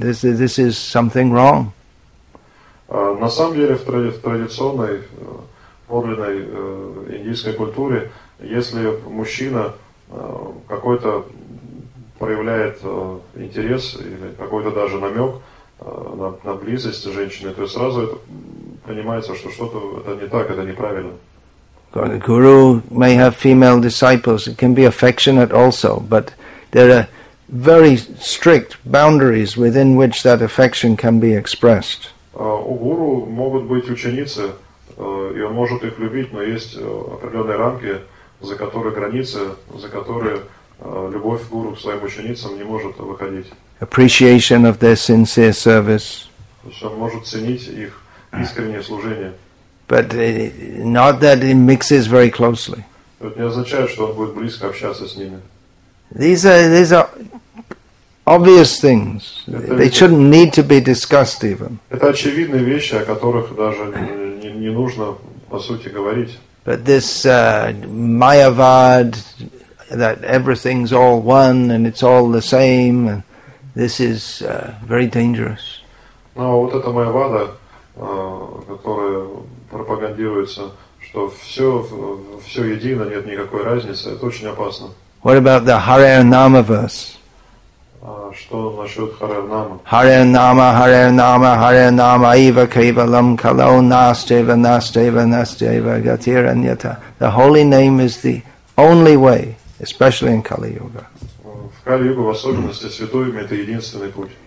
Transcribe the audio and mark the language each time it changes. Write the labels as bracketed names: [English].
[English] This is something wrong. [Russian] На самом деле, в традиционной, подлинной индийской культуре, если мужчина какой-то проявляет интерес или какой-то даже намек на близость женщины, то сразу это понимается, что что-то это не так, это неправильно. [English] God, the guru may have female disciples. It can be affectionate also, but there are very strict boundaries within which that affection can be expressed. [Russian] У гуру могут быть ученицы, и он может их любить, но есть определенные рамки, за которые границы, за которые любовь гуру к своим ученицам не может выходить. [English] Appreciation of their sincere service. [Russian] То есть он может ценить их искреннее служение. [English] But not that it mixes very closely. [Russian] Это не означает, что он будет близко общаться с ними. [English] These are obvious things. They shouldn't need to be discussed even. [Russian] Это очевидные вещи, о которых даже не нужно по сути говорить. [English] But this Mayavad, that everything's all one and it's all the same, and this is very dangerous. [Russian] Но вот эта майявада, которая пропагандируется, что все едино, нет никакой разницы, это очень опасно. [English] What about the Hare Nama verse? [Russian] Что насчет Hare Nama? [Sanskrit] Hare Nama, Hare Nama, Hare Nama, Iva Kevalam Kalo Nasteva Nasteva Nasteva Gatira Nyata. [English] The holy name is the only way. Especially in Kali Yuga. [Russian] В Кали Юга, в особенности, святой имя — это единственный путь.